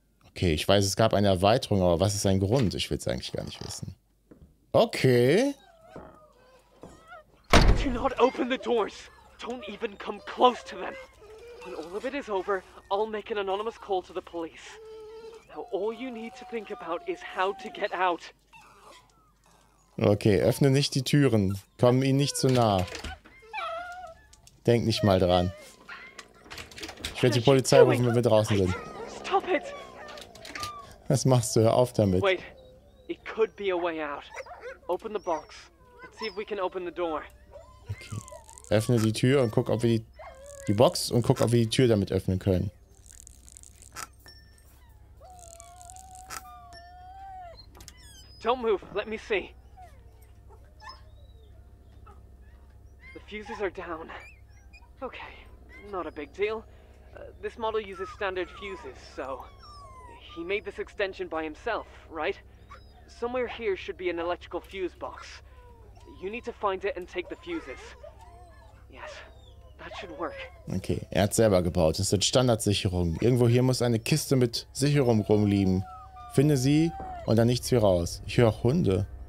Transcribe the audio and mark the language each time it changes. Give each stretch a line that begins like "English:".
German: Okay, ich weiß, es gab eine Erweiterung, aber was ist sein Grund? Ich will es eigentlich gar nicht wissen. Okay.
English: Do not open the doors. Don't even come close to them. When all of it is over, I'll make an anonymous call to the police. Now all you need to think about is how to get out.
German: Okay, öffne nicht die Türen. Komm ihnen nicht zu nah. Denk nicht mal dran. Ich werde die Polizei rufen, wenn wir draußen sind.
English: Stop it!
German: Was machst du? Hör auf damit.
English: Wait. It could be a way out. Open the box. Let's see if we can open the door. Okay.
German: Öffne die Tür und guck, ob wir die Box und guck, ob wir die Tür damit öffnen können.
English: Don't move. Let me see. The fuses are down. Okay. Not a big deal. This model uses standard fuses, so he made this extension by himself, right? Somewhere here should be an electrical fuse box. You need to find it and take the fuses. Yes, that should work.
German: Okay, hat selber gebaut. Das sind Standardsicherungen. Irgendwo hier muss eine Kiste mit Sicherung rumliegen. Finde sie und dann nichts wie raus. Ich höre auch Hunde.